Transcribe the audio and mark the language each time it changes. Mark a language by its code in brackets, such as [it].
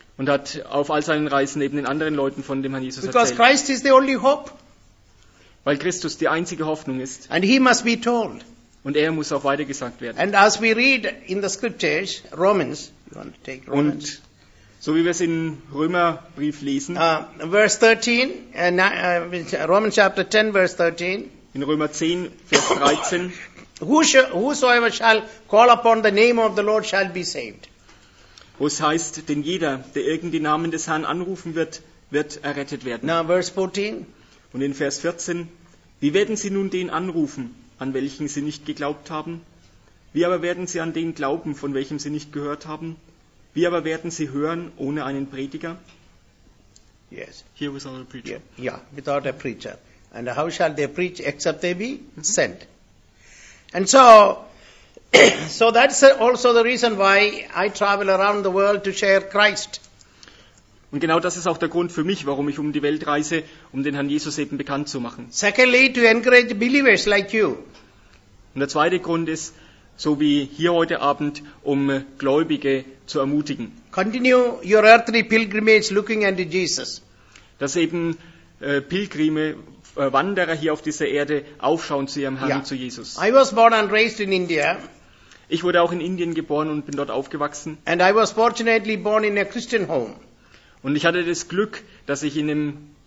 [de] Und hat auf all seinen Reisen eben den anderen Leuten von dem Herrn Jesus [en] because [de] erzählt. [en] Because Christ is the only hope. [de] Weil Christus die einzige Hoffnung ist. [en] And he must be told. [de] Und er muss auch weitergesagt werden. [en] And as we read in the scriptures, Romans. You want to take Romans. [de] Und so wie wir es in Römerbrief lesen. [en] Verse 13, Romans chapter 10, verse 13. [de] In Römer 10, Vers 13. [en] Whosoever shall call upon the name of the Lord shall be saved. [de] Wo es heißt, denn jeder, der irgendeinen Namen des Herrn anrufen wird, wird errettet werden. [en] Now verse 14. [de] Und in Vers 14. Wie werden sie nun den anrufen, an welchen sie nicht geglaubt haben? Wie aber werden sie an den glauben, von welchem sie nicht gehört haben? Wie aber werden sie hören ohne einen Prediger? [en] Yes. Here without a preacher. Yeah, without a preacher. And how shall they preach except they be sent? And so that's also the reason why I travel around the world to share Christ. [de] Und genau das ist auch der Grund für mich, warum ich um die Welt reise, um den Herrn Jesus eben bekannt zu machen. [en] Secondly, to encourage believers like you. [de] Und der zweite Grund ist, so wie hier heute Abend, um Gläubige zu ermutigen. [en] Continue your earthly pilgrimage looking unto Jesus. [de] Dass eben Pilgrime, Wanderer hier auf dieser Erde aufschauen zu ihrem Herrn, ja, zu Jesus. [en] I was born and raised in India. [de] Ich wurde auch in Indien geboren und bin dort aufgewachsen. [en] And I was fortunately born in a Christian home. [de] Und ich hatte das Glück, dass ich in einem...